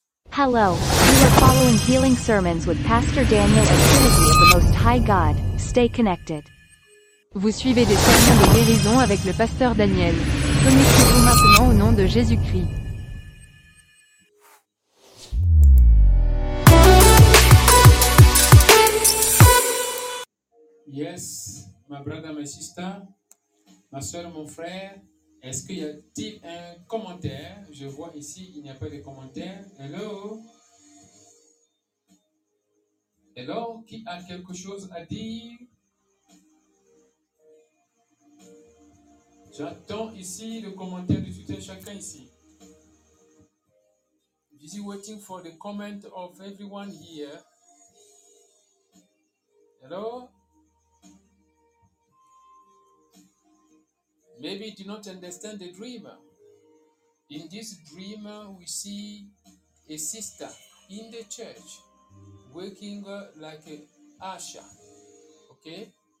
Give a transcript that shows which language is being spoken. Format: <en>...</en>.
<en>Hello, we are following healing sermons with Pastor Daniel of Trinity of the Most High God. Stay connected.</en> <fr>Vous suivez des sermons de guérison avec le pasteur Daniel. Connectez-vous maintenant au nom de Jésus-Christ.</fr> <en>Yes, my brother, my sister,</en> <fr>ma soeur, mon frère, est-ce qu'il y a-t-il un commentaire? Je vois ici, il n'y a pas de commentaire. Hello? Hello, qui a quelque chose à dire? J'attends ici le commentaire de tout un chacun ici.</fr> <en>Busy waiting for the comment of everyone here. Hello? Maybe you do not understand the dream. In this dream, we see a sister in the church working like an usher. Okay?</en>